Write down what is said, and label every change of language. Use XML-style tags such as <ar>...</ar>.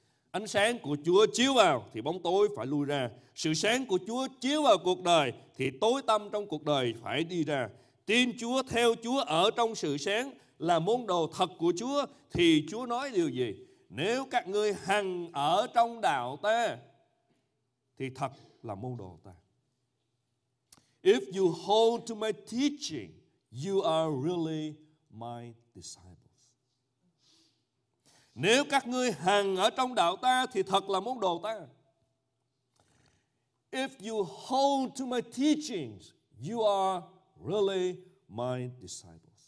<vi>Ánh sáng của Chúa chiếu vào thì bóng tối phải lui ra. Sự sáng của Chúa chiếu vào cuộc đời thì tối tăm trong cuộc đời phải đi ra. Tin Chúa, theo Chúa, ở trong sự sáng là môn đồ thật của Chúa. Thì Chúa nói điều gì? Nếu các ngươi hằng ở trong đạo ta thì thật là môn đồ ta.</vi> <en>If you hold to my teaching, you are really my disciples.</en> <vi>Nếu các ngươi hằng ở trong đạo ta thì thật là môn đồ ta.</vi> <en>If you hold to my teachings, you are really my disciples.</en>